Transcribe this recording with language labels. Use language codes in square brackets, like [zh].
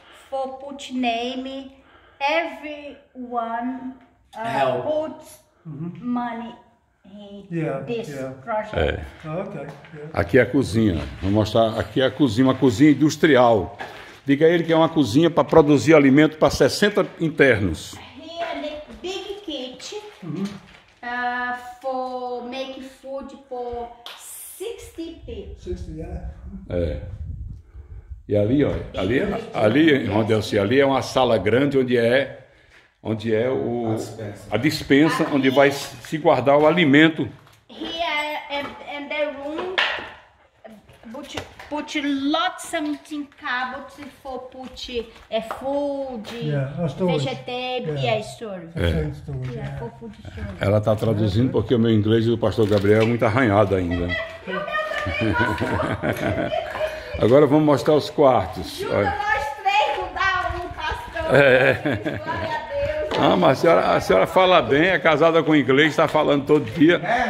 [en] For put name, everyone put money in this project. [pt] Aqui é a cozinha. Vou mostrar. Aqui é a cozinha, uma cozinha industrial. Diga a ele que é uma cozinha para produzir alimento para 60 internos. [en] Here a big kitchen for make food for 60 people. [pt] 60, yeah. É. E ali, ó, ali onde eu sei, ali é uma sala grande onde é o a dispensa onde vai se guardar o alimento. [en] Here and the room but put lots something cabots for put food, vegetable, storage. [pt] Ela está traduzindo porque o meu inglês do pastor Gabriel é muito arranhado ainda. Agora vamos mostrar os quartos. Nós três não dá um pastor. Glória a Deus. Ah, mas a senhora fala bem, é casada com inglês, está falando todo dia.